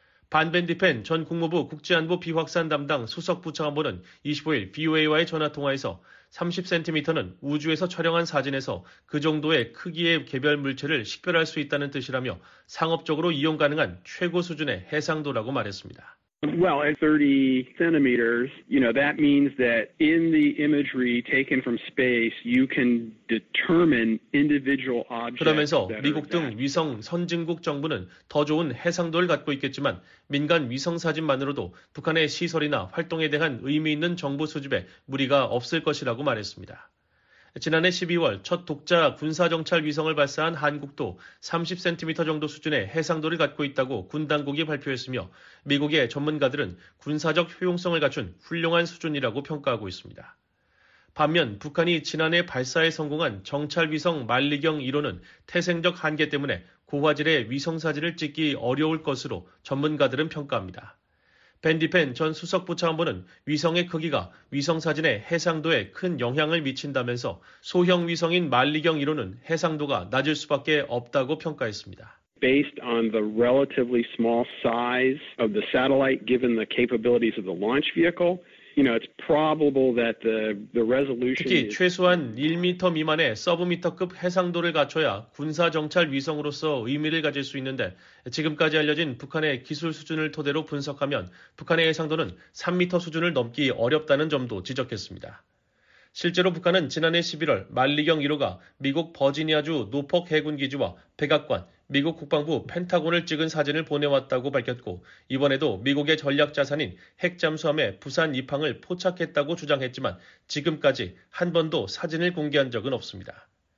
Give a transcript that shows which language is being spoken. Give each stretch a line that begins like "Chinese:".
Korean: 반벤디펜 전 국무부 국제안보 비확산 담당 수석부차관보는 25일 BOA와의 전화통화에서 30cm는 우주에서 촬영한 사진에서 그 정도의 크기의 개별 물체를 식별할 수 있다는 뜻이라며 상업적으로 이용 가능한 최고 수준의 해상도라고 말했습니다.
English: Well, at 30 centimeters, you know, that means that in the imagery taken from space, you can determine individual objects.
Korean: 그러면서 미국 등 위성 선진국 정부는 더 좋은 해상도를 갖고 있겠지만 민간 위성 사진만으로도 북한의 시설이나 활동에 대한 의미 있는 정보 수집에 무리가 없을 것이라고 말했습니다. 지난해 12월 첫 독자 군사정찰 위성을 발사한 한국도 30cm 정도 수준의 해상도를 갖고 있다고 군당국이 발표했으며 미국의 전문가들은 군사적 효용성을 갖춘 훌륭한 수준이라고 평가하고 있습니다. 반면 북한이 지난해 발사에 성공한 정찰위성 만리경 1호는 태생적 한계 때문에 고화질의 위성사진을 찍기 어려울 것으로 전문가들은 평가합니다. 밴디펜 전 수석부차관보는 위성의 크기가 위성사진의 해상도에 큰 영향을 미친다면서 소형 위성인 만리경 1호는 해상도가 낮을 수밖에 없다고 평가했습니다.
English: Based on the relatively small size of the satellite given the capabilities of the launch vehicle, you know, it's probable that the resolution
Korean: 특히 최소한 1m 미만의 서브미터급 해상도를 갖춰야 군사 정찰 위성으로서 의미를 가질 수 있는데 지금까지 알려진 북한의 기술 수준을 토대로 분석하면 북한의 해상도는 3m 수준을 넘기 어렵다는 점도 지적했습니다. 실제로 북한은 지난해 11월 만리경 1호가 미국 버지니아주 노폭 해군기지와 백악관, 미국 국방부 펜타곤을 찍은 사진을 보내왔다고 밝혔고 이번에도 미국의 전략자산인 핵잠수함의 부산 입항을 포착했다고 주장했지만 지금까지 한 번도 사진을 공개한 적은 없습니다.